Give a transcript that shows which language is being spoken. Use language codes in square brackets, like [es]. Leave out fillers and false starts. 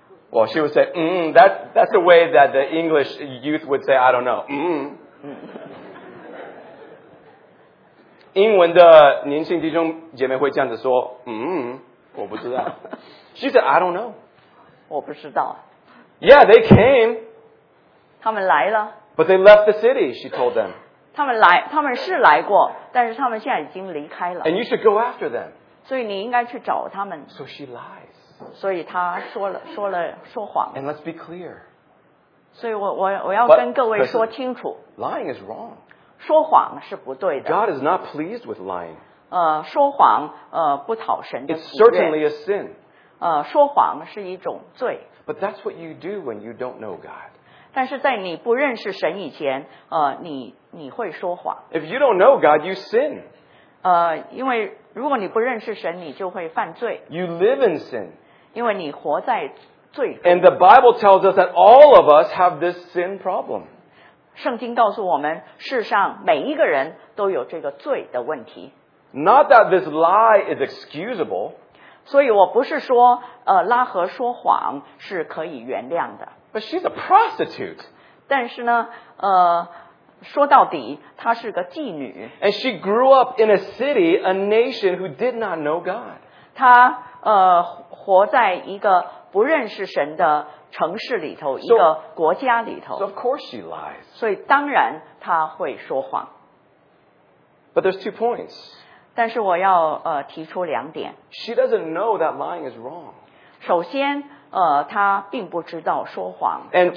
[en] Well, she would say, that's the way that the English youth would say, I don't know. [zh] 英文的年轻弟兄姐妹会这样子说，我不知道。 [en] She said, I don't know. [zh] 我不知道。 [en] Yeah, they came. [zh] 他们来了。 [en] But they left the city, she told them. [zh] 他们是来过，但是他们现在已经离开了。 [en] And you should go after them. [zh] 所以你应该去找他们。 [en] So she lied. [zh] 所以他说谎。 [en] And let's be clear. [zh] 所以我要跟各位说清楚。 [en] Lying is wrong. [zh] 说谎是不对的。 [en] God is not pleased with lying. [zh] 说谎不讨神的喜悦。 [en] It's certainly a sin. [zh] 说谎是一种罪。 [en] But that's what you do when you don't know God. [zh] 但是在你不认识神以前，你会说谎。 [en] If you don't know God, you sin. [zh] 因为如果你不认识神，你就会犯罪。 [en] You live in sin. [zh] 因为你活在罪中。 [en] And the Bible tells us that all of us have this sin problem. [zh] 圣经告诉我们，世上每一个人都有这个罪的问题。 [en] Not that this lie is excusable. [zh] 所以我不是说拉合说谎是可以原谅的。 [en] But she's a prostitute. [zh] 但是呢说到底，她是个妓女。 [en] And she grew up in a city, a nation who did not know God. [zh] 她活在一个不认识神的城市里头，一个国家里头。 [en] So of course she lies. [zh] 所以当然她会说谎。 [en] But there's two points. [zh] 但是我要提出两点。 [en] She doesn't know that lying is wrong. [zh] 首先她并不知道说谎是不